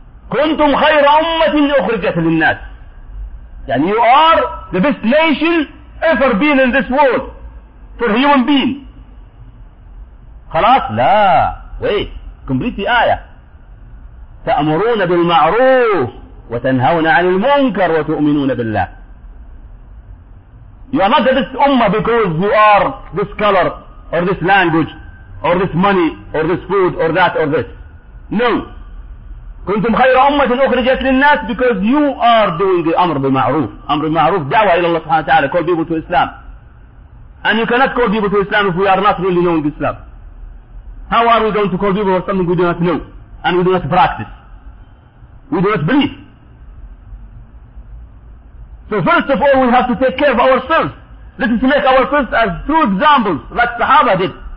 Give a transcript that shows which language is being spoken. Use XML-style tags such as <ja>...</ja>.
<ar>كنتم خير أمة أخرجت للناس. يعني</ar> <en>you are the best nation ever been in this world for human being.</en> <ar>خلاص لا.</ar> <en>Wait. Complete the آية.</en> <ar>تأمرون بالمعروف وتنهون عن المنكر وتؤمنون بالله.</ar> <en>You are not the best ummah because you are this color or this language or this money or this food or that or this. No.</en> <ar>كنتم خير أمة أخرجت للناس</ar> <en>because you are doing the</en> <ar>أمر بالمعروف. أمر بالمعروف دعوة إلى الله سبحانه وتعالى.</ar> <en>Call people to Islam. And you cannot call people to Islam if we are not really knowing Islam. How are we going to call people for something we do not know and we do not practice? We do not believe. So first of all, we have to take care of ourselves. Let us make ourselves as true examples like Sahaba did.</en>